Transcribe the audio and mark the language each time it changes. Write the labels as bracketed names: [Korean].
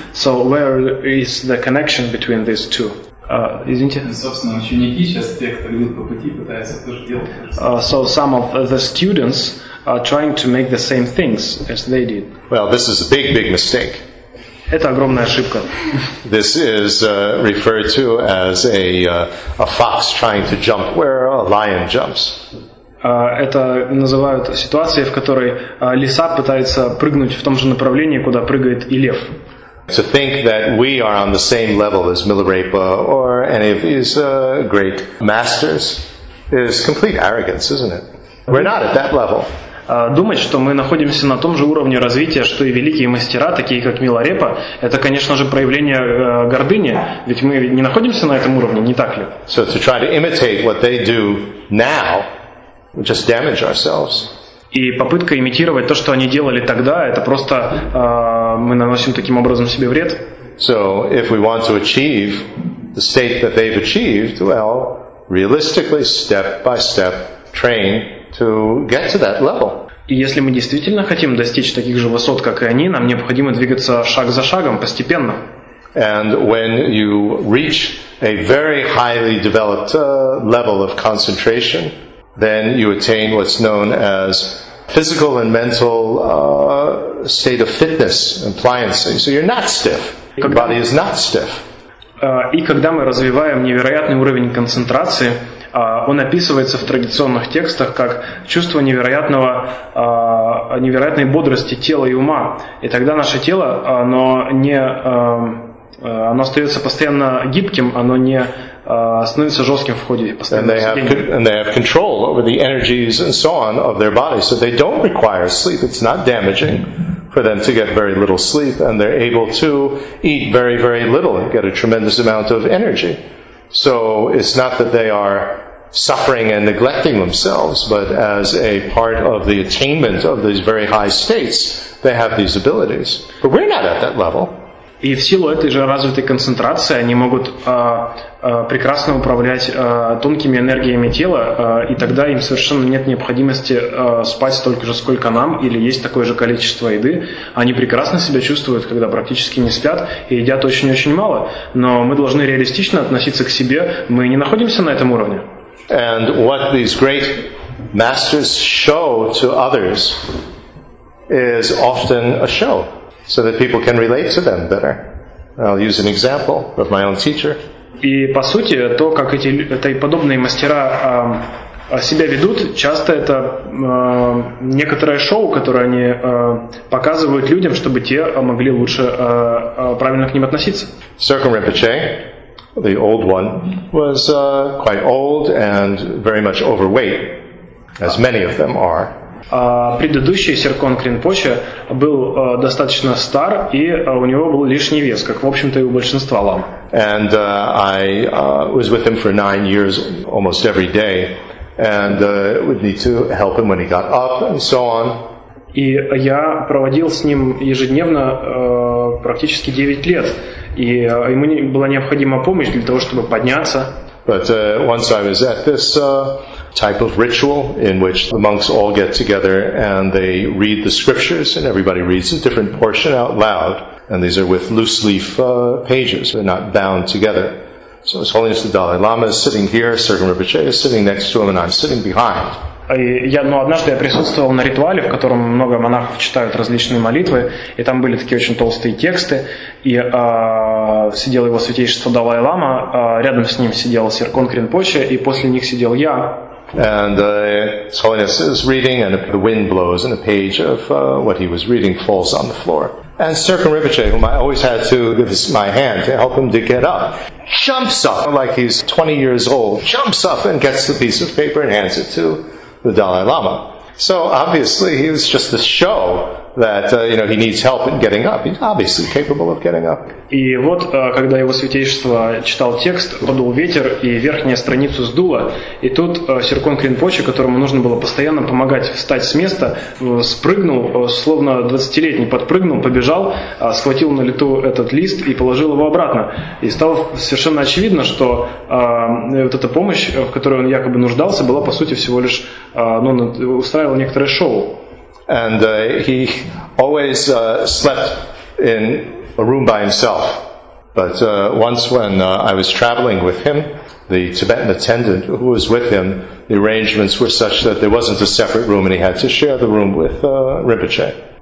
[English] So where is the connection between these two? So some of the students are trying to make the same things as they did. Well, this is a big, big mistake. [Russian] Это огромная ошибка. [English] This is referred to as a fox trying to jump where a lion jumps. [Russian] Это называют ситуацией, в которой лиса пытается прыгнуть в том же направлении, куда прыгает и лев. [English] To think that we are on the same level as Milarepa or any of his great masters is complete arrogance, isn't it? We're not at that level. [Russian] Думать, что мы находимся на том же уровне развития, что и великие мастера, такие как Миларепа, это, конечно же, проявление гордыни, ведь мы не находимся на этом уровне, не так ли? [English] So to try to imitate what they do now, we just damage ourselves. [Russian] И попытка имитировать то, что они делали тогда, это просто мы наносим таким образом себе вред. [English] So if we want to achieve the state that they've achieved, well, realistically, step by step, train to get to that level. [Russian] И если мы действительно хотим достичь таких же высот, как и они, нам необходимо двигаться шаг за шагом, постепенно. [English] And when you reach a very highly developed level of concentration, then you attain what's known as physical and mental state of fitness and pliancy. So you're not stiff. Your body is not stiff. [Russian] И когда мы развиваем невероятный уровень концентрации, он описывается в традиционных текстах как чувство невероятного, невероятной бодрости тела и ума. И тогда наше тело, оно не, оно остается постоянно гибким, оно не становится жестким в ходе постоянного сидения. [English] For them to get very little sleep, and they're able to eat very, very little and get a tremendous amount of energy. So it's not that they are suffering and neglecting themselves, but as a part of the attainment of these very high states, they have these abilities. But we're not at that level. [Russian] И в силу этой же развитой концентрации они могут прекрасно управлять тонкими энергиями тела, и тогда им совершенно нет необходимости спать столько же, сколько нам, или есть такое же количество еды. Они прекрасно себя чувствуют, когда практически не спят и едят очень-очень мало. Но мы должны реалистично относиться к себе. Мы не находимся на этом уровне. [English] And what these great masters show to others is often a show. So that people can relate to them better. I'll use an example of my own teacher. [Russian] И по сути то, как эти подобные мастера себя ведут, часто это некоторое шоу, которое они показывают людям, чтобы те могли лучше правильно к ним относиться. [English] Circum Rinpoche, the old one, was quite old and very much overweight, as many of them are. [Russian] Предыдущий Серкон Кринпоче был достаточно стар, и у него был лишний вес, как, в общем-то, и у большинства лам. [English] And I was with him for 9 years almost every day, and would need to help him when he got up and so on. [Russian] И я проводил с ним ежедневно практически 9 лет, и ему была необходима помощь для того, чтобы подняться. [English] But once I was at this type of ritual in which the monks all get together and they read the scriptures and everybody reads a different portion out loud, and these are with loose leaf pages, they're not bound together. So His Holiness the Dalai Lama is sitting here, Sergeant Rinpoche is sitting next to him, and I'm sitting behind. [Russian] Однажды я присутствовал на ритуале, в котором много монахов читают различные молитвы, и там были такие очень толстые тексты, и сидел его святейшество Далай-Лама, рядом с ним сидел Серкон Кринпоче, и после них сидел я. [English] And His Holiness is reading, and the wind blows, and a page of what he was reading falls on the floor. And Serkan Rinpoche, whom I always had to give my hand to help him to get up, jumps up like he's 20 years old, jumps up and gets the piece of paper and hands it to the Dalai Lama. So obviously he was just a show that you know, he needs help in getting up. He's obviously capable of getting up. [Russian] И вот когда его святейшество читал текст, подул ветер, и верхняя страница сдула, и тут Серкон Кринпоче, которому нужно было постоянно помогать встать с места, спрыгнул, словно 20-летний, подпрыгнул, побежал, схватил на лету этот лист и положил его обратно. И стало совершенно очевидно, что вот эта помощь, в которой он якобы нуждался, была по сути всего лишь устраивала некоторое шоу. [English] And he always slept in a room by himself. But once when I was traveling with him, the Tibetan attendant who was with him, the arrangements were such that there wasn't a separate room and he had to share the room with Rinpoche.